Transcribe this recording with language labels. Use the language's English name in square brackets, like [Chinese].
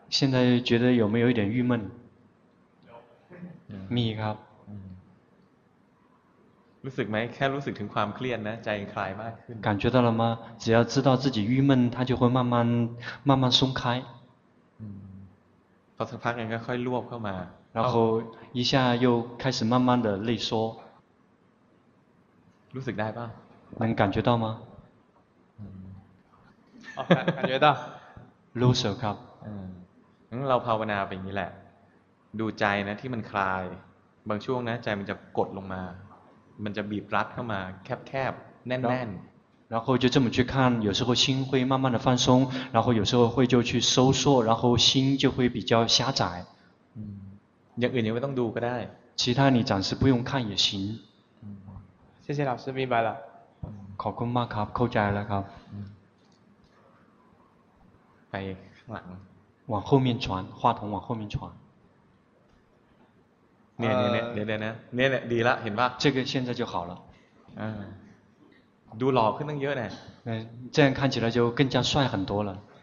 [Chinese] 现在觉得有没有一点郁闷 [Thai] มีครับ รู้สึกไหมแค่รู้สึกถึงความเครียดนะใจคลายมากขึ้ [Chinese] น感觉到了吗只要知道自己郁闷它就会慢慢松开 [Thai] พอสักพักยังก็ค่อยรวบเข้ามา [Chinese] 然后一下又开始慢慢的内缩 [Thai] รู้สึกได้ป่ะ [Chinese] 能感觉到吗？感觉到。 [Thai] รู้สึกครับ。 เราภาวนาแบบนี้แหละ。 ดูใจนะที่มันคลาย。 บางช่วงนะใจมันจะกดลงมา。มันจะบีบรัดเข้ามาแคบๆแน่นๆ。 [Chinese] 然后就这么去看，有时候心会慢慢的放松，然后有时候会就去收缩，然后心就会比较狭窄。 [Thai] 嗯，อย่างอื่นยังไม่ต้องดูก็ได้。 [Chinese] 其他你暂时不用看也行。嗯，谢谢老师，明白了。 [Thai] ขอบคุณมากครับ，เข้าใจแล้วครับ。 ไปข้างหลัง。 [Chinese] 往后面传，话筒往后面传。 [Thai] เนี่ยดีละเห็นป่ะ [Chinese] 这个现在就好了 [Thai] ดูหล่อขึ้นตั้งเยอะเ [Chinese] นี่ย这样看起来就更加帅很多了